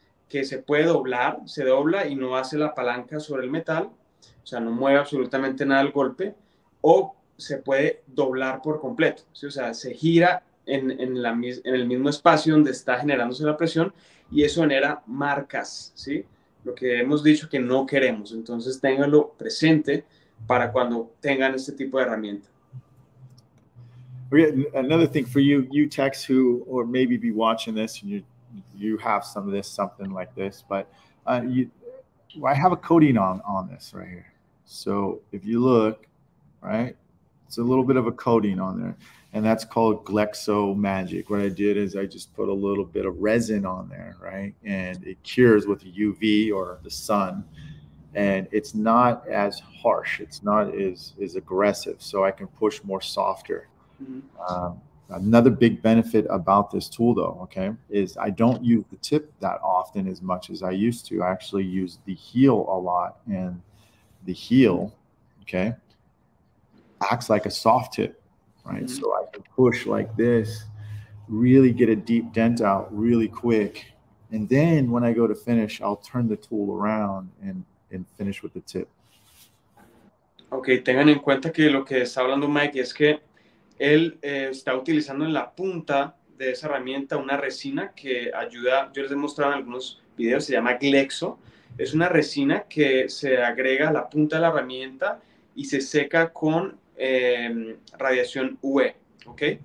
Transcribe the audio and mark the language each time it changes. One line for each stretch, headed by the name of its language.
Spanish: Que se puede doblar, se dobla y no hace la palanca sobre el metal, o sea, no mueve absolutamente nada el golpe, o se puede doblar por completo, ¿sí? O sea, se gira en el mismo espacio donde está generándose la presión y eso genera marcas, ¿sí? Lo que hemos dicho que no queremos. Entonces, ténganlo presente para cuando tengan este tipo de herramienta.
English: Okay, another thing for you, you techs who or maybe be watching this and you have some of this, something like this, but I have a coating on this right here. So if you look, right, it's a little bit of a coating on there, and that's called Glexo Magic. What I did is I just put a little bit of resin on there, right, and it cures with UV or the sun, and it's not as harsh. It's not as aggressive, so I can push more softer. Mm-hmm. Another big benefit about this tool, though, okay, is I don't use the tip that often as much as I used to. I actually use the heel a lot, and the heel, okay, acts like a soft tip, right? Mm-hmm. So I can push like this, really get a deep dent out really quick. And then when I go to finish, I'll turn the tool around and finish with the tip.
Spanish: Okay, tengan en cuenta que lo que está hablando Mike es que él está utilizando en la punta de esa herramienta una resina que ayuda, yo les he mostrado en algunos videos, se llama Glexo. Es una resina que se agrega a la punta de la herramienta y se seca con radiación UV, ¿ok?